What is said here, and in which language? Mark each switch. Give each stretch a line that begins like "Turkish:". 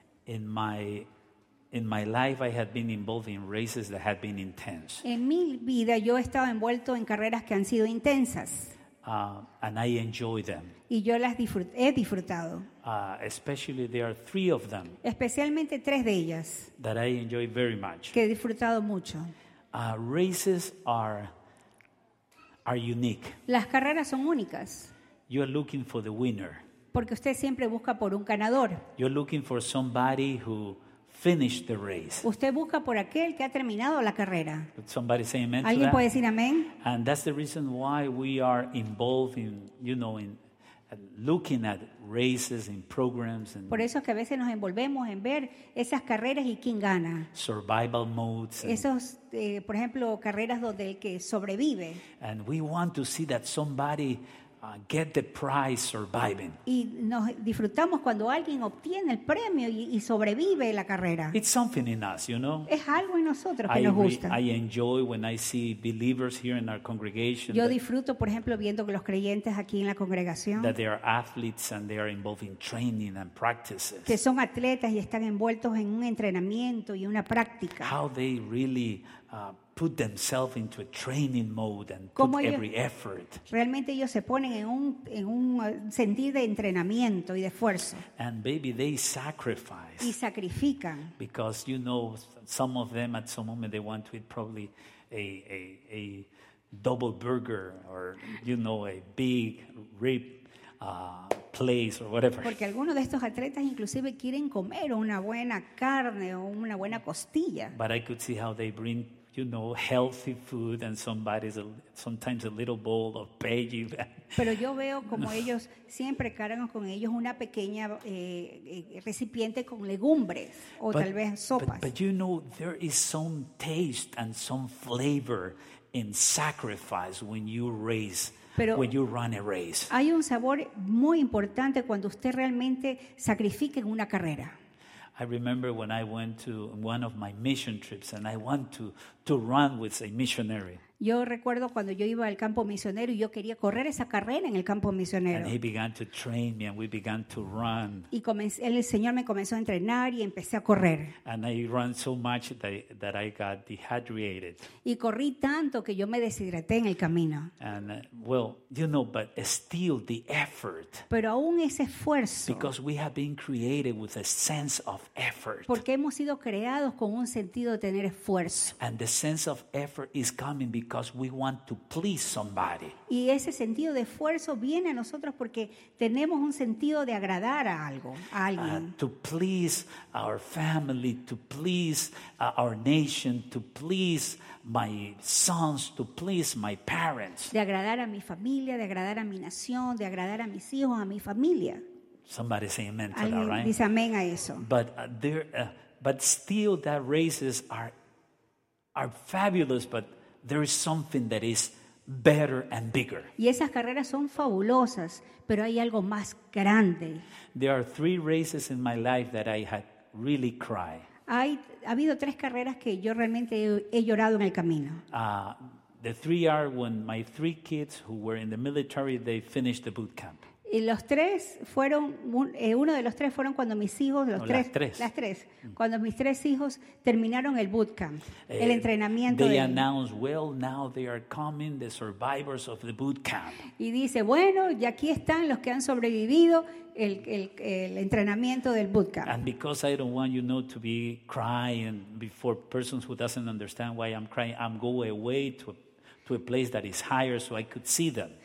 English: In my life I had been involved in races that had been intense.
Spanish: En mi vida yo he estado envuelto en carreras que han sido intensas.
English: And I enjoy them.
Spanish: Y yo las he disfrutado.
English: Especially there are three of them.
Spanish: Especialmente tres de ellas.
English: That I enjoy very much.
Spanish: Que he disfrutado mucho.
English: Races are unique.
Spanish: Las carreras son únicas.
English: You are looking for the winner.
Spanish: Porque usted siempre busca por un ganador.
English: You are looking for somebody who finished the race.
Spanish: Usted busca por aquel que ha terminado la carrera.
English: Somebody say amen.
Spanish: ¿Alguien puede decir amén?
English: And that's the reason why we are involved in, you know, in looking at races and programs and.
Spanish: Por eso es que a veces nos envolvemos en ver esas carreras y quién gana.
English: Survival modes.
Spanish: Esos, por ejemplo, carreras donde el que sobrevive.
English: And we want to see that somebody get the prize surviving.
Spanish: Y nos disfrutamos cuando alguien obtiene el premio y sobrevive la carrera.
English: It's something in us, you know?
Spanish: Es algo en nosotros que nos gusta.
English: I enjoy when I see believers here in our congregation.
Spanish: Yo disfruto, por ejemplo, viendo que los creyentes aquí en la congregación,
English: that they are athletes and they are involved in training and practices.
Spanish: Que son atletas y están envueltos en un entrenamiento y una práctica.
English: How they really put themselves into a training mode and put every effort.
Spanish: Realmente ellos se ponen en un sentido de entrenamiento y de esfuerzo.
English: And maybe they sacrifice.
Spanish: Y sacrifican.
English: Because you know, some of them at some moment they want to eat probably a double burger or you know a big rib place or whatever.
Spanish: Porque algunos de estos atletas inclusive quieren comer una buena carne o una buena costilla.
English: But I could see how they bring, you know, healthy food and somebody's sometimes a little bowl of veggie.
Spanish: Pero yo veo como ellos siempre cargan con ellos una pequeña recipiente con legumbres o tal vez sopas.
English: But you know, there is some taste and some flavor in sacrifice when you race.
Spanish: Pero
English: when you run a race.
Spanish: Hay un sabor muy importante cuando usted realmente sacrifica en una carrera.
English: I remember when I went to one of my mission trips and I want to run with a missionary.
Spanish: Yo recuerdo cuando yo iba al campo misionero y yo quería correr esa carrera en el campo misionero.
English: And he began to train me and we began to run.
Spanish: Y el Señor me comenzó a entrenar y empecé a correr.
English: And I ran so much that I got dehydrated.
Spanish: Y corrí tanto que yo me deshidraté en el camino.
English: And well, you know, but still the effort.
Spanish: Pero aún ese esfuerzo.
English: Because we have been created with a sense of effort.
Spanish: Porque hemos sido creados con un sentido de tener esfuerzo.
English: And the sense of effort is coming because we want to please somebody.
Spanish: Y ese sentido de esfuerzo viene a nosotros porque tenemos un sentido de agradar a algo, a alguien.
English: To please our family, to please our nation, to please my sons, to please my parents.
Spanish: De agradar a mi familia, de agradar a mi nación, de agradar a mis hijos, a mi familia.
English: Somebody say amen to that, right?
Spanish: Alguien dice amén a eso.
English: But still that races are fabulous, but there is something that is better and bigger.
Spanish: Y esas carreras son fabulosas, pero hay algo más grande.
English: There are three races in my life that I had really cried.
Spanish: Ha habido tres carreras que yo realmente he llorado en el camino.
English: The three are when my three kids who were in the military, they finished the boot camp.
Spanish: Y los tres fueron uno de los tres fueron cuando mis hijos las tres cuando mis tres hijos terminaron el bootcamp, el entrenamiento.
English: They announced, well, now they are coming, the survivors of the bootcamp.
Spanish: Y dice, bueno, y aquí están los que han sobrevivido el entrenamiento del bootcamp.
English: And because I don't want, you know, to be crying before persons who doesn't understand why I'm crying, I'm going away to a place that is higher so I could see them.